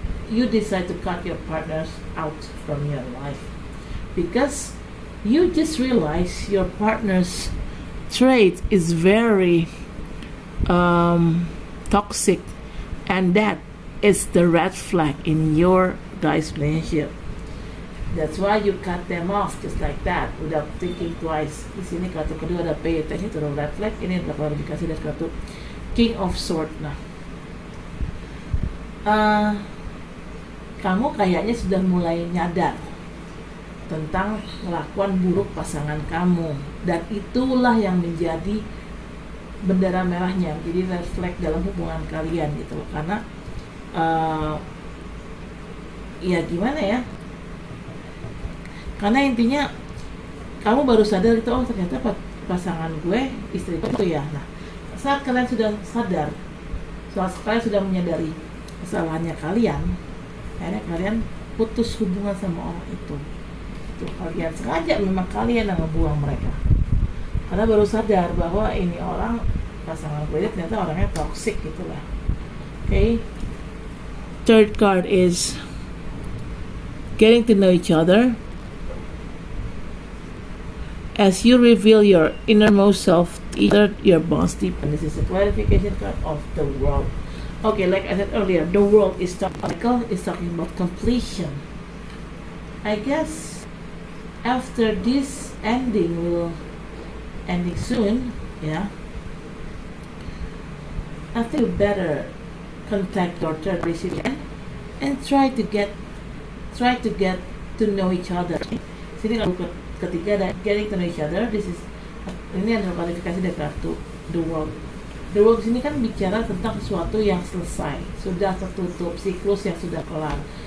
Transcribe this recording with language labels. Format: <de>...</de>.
<en>You decide to cut your partners out from your life because you just realize your partner's trait is very toxic, and that is the red flag in your guy's relationship. That's why you cut them off just like that without thinking twice.</en> <id>Di sini kartu kedua ada</id> <en>pay attention to the red flag.</en> <id>Ini adalah kalau dikasih dari kartu King of Swords. Nah, kamu kayaknya sudah mulai nyadar tentang kelakuan buruk pasangan kamu, dan itulah yang menjadi bendera merahnya, jadi red flag dalam hubungan kalian gitu. Karena ya gimana ya, karena intinya kamu baru sadar itu, oh ternyata pasangan gue, istri gue itu ya. Nah, saat kalian sudah sadar, saat kalian sudah menyadari kesalahannya kalian, akhirnya kalian putus hubungan sama orang itu. Itu kalian sengaja, memang kalian yang ngebuang mereka. Karena baru sadar bahwa ini orang, pasangan gue itu ternyata orangnya toxic gitu lah.</id> <en>Okay. Third card is getting to know each other. As you reveal your innermost self, either your bonds deep. And this is a clarification card of the world. Okay, like I said earlier, the world is talking about completion. I guess after this ending will ending soon, yeah. I think you better contact your third person and try to get to know each other.</en> <id>Sini kalau ketiga ada</id> <en>getting to know each other. This is</en> <id>ini adalah kualifikasi dari kartu the world. The world sini kan bicara tentang sesuatu yang selesai, sudah tertutup, siklus yang sudah kelar.</id>